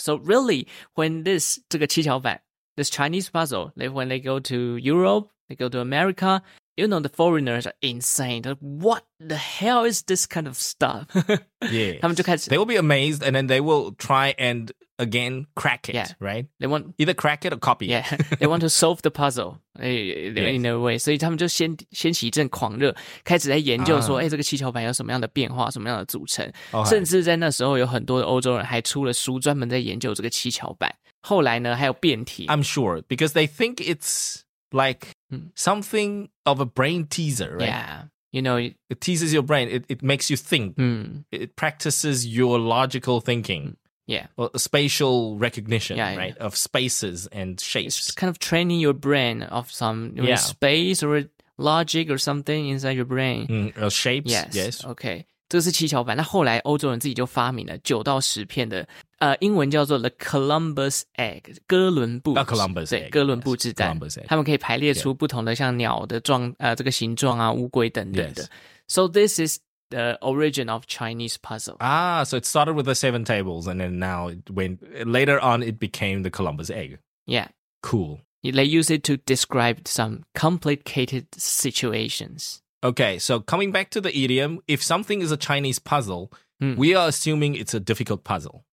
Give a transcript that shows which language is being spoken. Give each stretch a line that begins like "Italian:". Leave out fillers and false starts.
English: So really, when this Chinese puzzle, like when they go to Europe, they go to America, you know, the foreigners are insane. Like, what the hell is this kind of stuff? Yeah. They will be amazed and then they will try and... Again, crack it, yeah. Right? They want either crack it or copy it. Yeah, they want to solve the puzzle in a way.
Chinese: 所以他们就掀起一阵狂热, 开始在研究说, 这个七巧板有什么样的变化, 什么样的组成。 Okay. 甚至在那时候有很多的欧洲人还出了书, 专门在研究这个七巧板。后来呢, 还有辩题。
English: I'm sure, because they think it's like something of a brain teaser, right? Yeah. You know, it teases your brain. It makes you think. It practices your logical thinking. Yeah. Well, spatial recognition, right, of spaces and shapes. It's kind of training your brain of some space or logic or something inside your brain. Or shapes, yes.
Chinese: Okay. 这是七巧板,那后来欧洲人自己就发明了9到10片的, 英文叫做The Columbus Egg, 哥伦布之,
English: Columbus
Chinese: 对,
English: Egg,
Chinese: 哥伦布之蛋,
English: yes.
Chinese: 他们可以排列出不同的像鸟的这个形状啊, 乌龟等等的。
English: Yes. So this is... The origin of Chinese puzzle. Ah, so it started with the seven tables, and then now it went later on, it became the Columbus egg. Yeah. Cool. They use it to describe some complicated situations. Okay, so coming back to the idiom, if something is a Chinese puzzle, we are assuming it's a difficult puzzle.